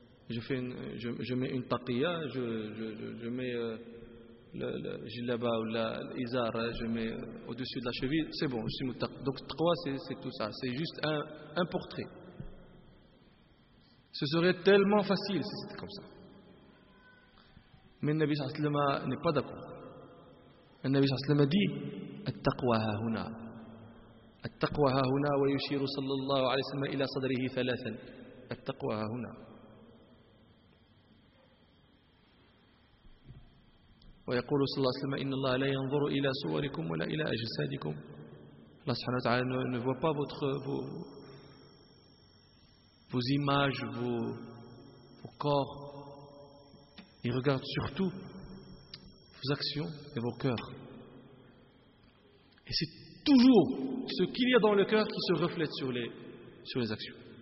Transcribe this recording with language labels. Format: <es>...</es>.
<fr>Je mets une taqiya, je mets le jilaba ou l'izar, je mets au-dessus de la cheville, c'est bon, je suis muttaqi. Donc trois, c'est tout ça, c'est juste un portrait. Ce serait tellement facile si c'était comme ça. Mais le Nabi sallallahu alayhi wa sallam n'est pas d'accord. Le Nabi sallallahu alayhi wa sallam a dit «</fr> <ar>At-taqwa ha-huna ». التقوى ها هنا ويشير صلى الله عليه وسلم إلى صدره ثلاثا. التقوى ها هنا ويقول صلى الله عليه وسلم إن الله لا ينظر إلى صوركم ولا إلى أجسادكم. الله سبحانه وتعالى</ar> <fr>ne voit pas vos images, vos corps. Il regarde surtout vos actions et vos cœurs. Et c'est toujours ce qu'il y a dans le cœur qui se reflète sur les actions.</fr>